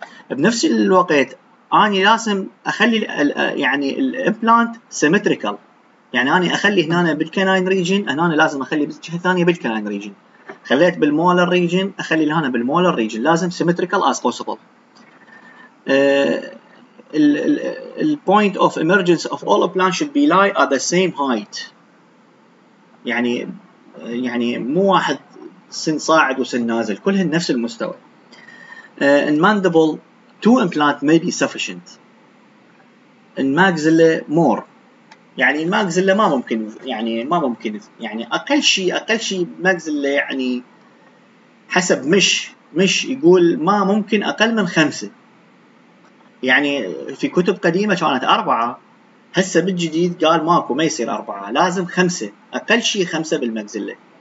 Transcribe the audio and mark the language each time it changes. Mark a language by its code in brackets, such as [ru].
[ar] بنفس الوقت اني لازم اخلي يعني الامبلانت سيمتريكال، يعني اني اخلي هنا بالكناين ريجن، هنا لازم اخلي بالجهه الثانيه بالكناين ريجن، خليت بالمولر ريجن اخلي هنا بالمولر ريجن، لازم [en] Symmetrical as possible. الـ point of emergence of all plants should be lie at the same height، [ar] يعني مو واحد سن صاعد وسن نازل، كلهن نفس المستوى. [en] In mandible two implant may be sufficient، in maxilla more، [ar] يعني maxilla ما ممكن يعني ما ممكن يعني أقل شيء maxilla يعني حسب مش يقول ما ممكن أقل من خمسة، يعني في كتب قديمة كانت أربعة، هسه بالجديد قال ماكو ما يصير أربعة، لازم خمسة، أقل شيء خمسة بالمجزلة.